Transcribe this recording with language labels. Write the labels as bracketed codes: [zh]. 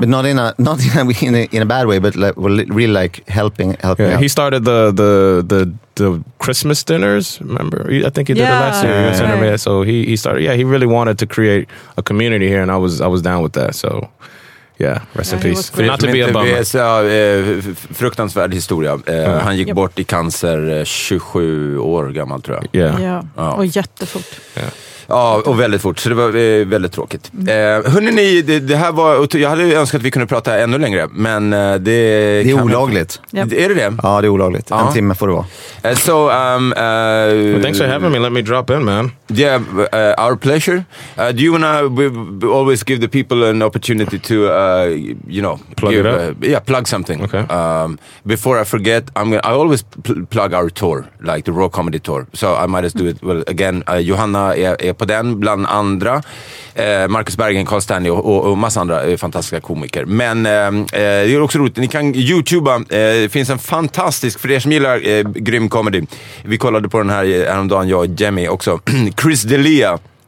[en] but not in a bad way, but like really like helping out. He started the Christmas dinners, remember? I think he did it last year. So he started. Yeah, he really wanted to create a community here, and I was down with that. So. Yeah, rest in peace. Cool. Not to be a bummer. [sv] Fruktansvärd historia. Han gick bort i cancer 27 år gammal, tror jag. [en] Yeah. Yeah. [sv] Ja, och jättefort. Ja, och väldigt fort. Så det var väldigt tråkigt. Hörrni, det här var... Jag hade önskat att vi kunde prata ännu längre, men det... Det är olagligt. Är det det? Ja, det är olagligt. Ja. En timme får det vara. [en] Thanks for having me. Let me drop in, man. Yeah, our pleasure. Do you wanna always give the people an opportunity to, you know... Plug something. Okay. Before I forget, I always plug our tour, like the Raw Comedy Tour. So I might as do it well, again. [sv] Johanna är på den, bland andra Marcus Bergen, Carl Stanley och massa andra fantastiska komiker. Men det är också roligt, ni kan YouTubea. Det finns en fantastisk, för er som gillar grym comedy. Vi kollade på den här häromdagen, jag och Jemmy också. Chris D'Elia.